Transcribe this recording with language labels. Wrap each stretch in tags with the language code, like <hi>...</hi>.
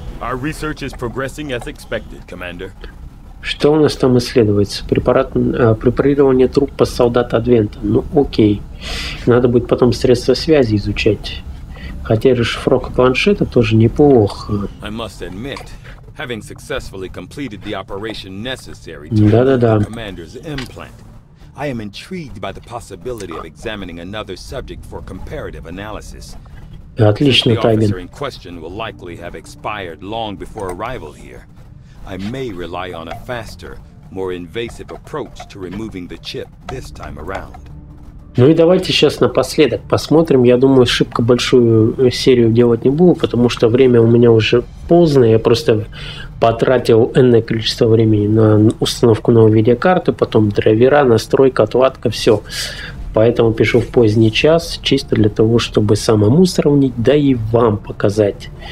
<en>Our research is progressing as expected, Commander.</en> <ru>Что у нас там исследуется? Препарирование трупа солдата Адвента. Ну, окей. Надо будет потом средства связи изучать. Хотя расшифровка планшета тоже неплохо.</ru> <en>I must admit, having successfully completed the operation necessary to</en> <ru>Да-да-да.</ru> <en>The Commander's implant, I am intrigued by the possibility of examining another subject for comparative analysis.</en> <ru>Отлично, Тайген.</ru> <en>The officer in question will likely have expired long before arrival here. I may rely on a faster, more invasive approach to removing the chip this time around.</en> <ru>Ну и давайте сейчас напоследок посмотрим. Я думаю, шибко большую серию делать не буду, потому что время у меня уже поздно. Я просто потратил энное количество времени на установку новой видеокарты, потом драйвера, настройка, отладка, все. Поэтому пишу в поздний час, чисто для того, чтобы самому сравнить, да и вам показать.</ru>